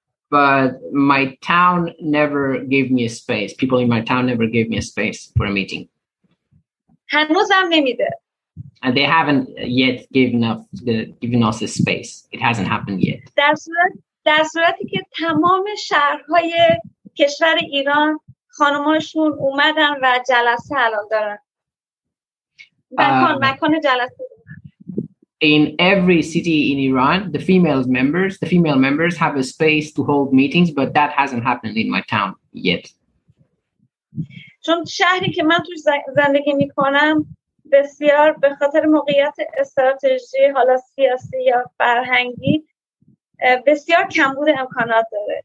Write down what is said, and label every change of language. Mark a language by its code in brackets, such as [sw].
[en] But my town never gave me a space. People in my town never gave me a space for a meeting. [fa] هنوزم نمیده. [en] And they haven't yet given us a space. It hasn't happened yet. [fa] در صورتی که تمام شهرهای کشور ایران خانمانشون اومدن و جلسه الان دارن. مکان جلسه. [en] In every city in Iran, the female members have a space to hold meetings, but that hasn't happened in my town yet. [fa] چون شهری که من توش زندگی میکنم بسیار به خاطر موقعیت استراتژی حالا سیاسی یا فرهنگی بسیار کمبود امکانات داره.